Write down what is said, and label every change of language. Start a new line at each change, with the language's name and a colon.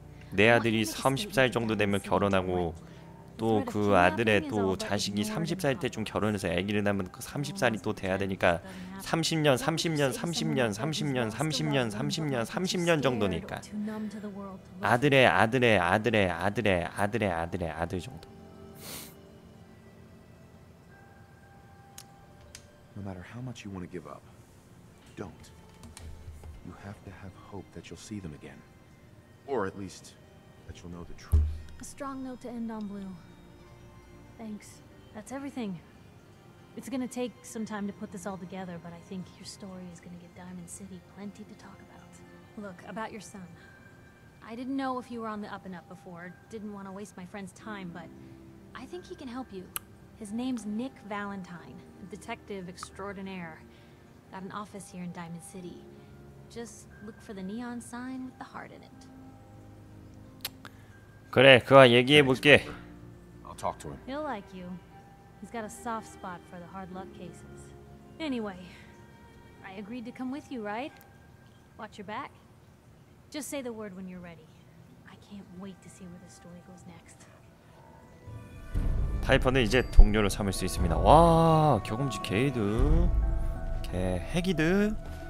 Korean: 내 아들이 30살 정도 되면 결혼하고 또 그 아들의 또 자식이 30살 때쯤 결혼해서 아기를 낳으면 그 30살이 또 돼야 되니까 30년 정도니까 아들의 아들 정도.
English: No matter how much you want to give up, don't. You have to have hope that you'll see them again. Or at least, that you'll know the truth. A strong note to end on, Blue. Thanks. That's everything. It's gonna take some time to put this all together, but I think your story is gonna give Diamond City plenty to talk about. Look, about your son. I didn't know if you were on the up and up before. Didn't want to waste my friend's time, but I think he can help you. His name's Nick Valentine, a detective extraordinaire. Got an office here in Diamond City. Just look for the neon sign with the heart in it.
Korean: 그래, 그와 얘기해 볼게.
English: I'll talk to him. He'll like you. He's got a soft spot for the hard luck cases. Anyway, I agreed to come with you, right? Watch your back. Just say the word when you're ready. I can't wait to see where the story goes next.
Korean: 타이퍼는 이제 동료를 삼을 수 있습니다. 와, 경험치 게이드. 개 핵이드.